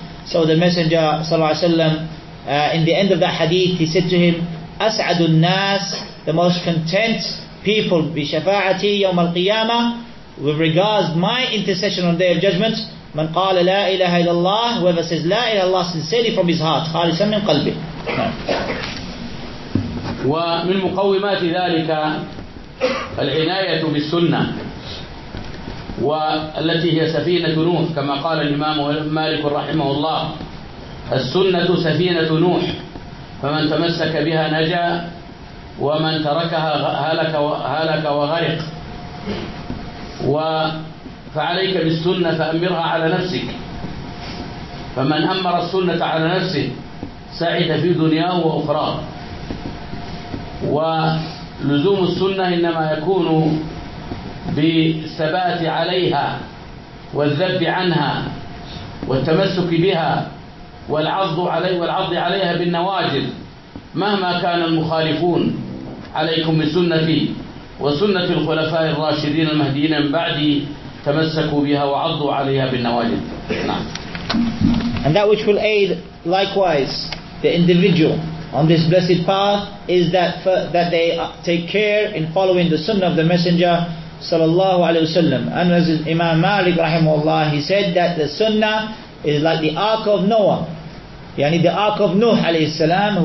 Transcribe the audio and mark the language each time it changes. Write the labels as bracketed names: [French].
[English] So the Messenger sallallahu alayhi wa sallam, in the end of that hadith, he said to him, [Arabic] أَسْعَدُ النَّاسِ, [English] the most content people, [Arabic] بِشَفَاعَتِي يَوْمَ الْقِيَامَةِ, [English] with regards my intercession on the Day of Judgment, [Arabic] مَنْ قَالَ لَا إِلَهَ إِلَى اللَّهِ, [English] whoever says [Arabic] لَا إِلَى اللَّهِ [English] sincerely from his heart, [Arabic] خَالِصًا مِنْ قَلْبِهِ. ومن مقومات ذلك العناية بالسنة والتي هي سفينة نوح، كما قال الإمام مالك رحمه الله: السنة سفينة نوح، فمن تمسك بها نجا، ومن تركها هلك وغرق. فعليك بالسنة فأمرها على نفسك، فمن أمر السنة على نفسه سعد في دنياه وأخرى. ولزوم السنة إنما يكون بالثبات عليها والذب عنها والتمسك بها والعض عليها بالنواجذ مهما كان المخالفون. عليكم بسنتي وسنة الخلفاء الراشدين المهديين من بعدي، تمسكوا بها وعضوا عليها بالنواجذ. [English] And that which will aid likewise the individual on this blessed path is that they take care in following the sunnah of the Messenger sallallahu alaihi wasallam. And as Imam Malik rahimahullah, he said that the sunnah is like the ark of Noah, yani the ark of Nuh alayhi salam.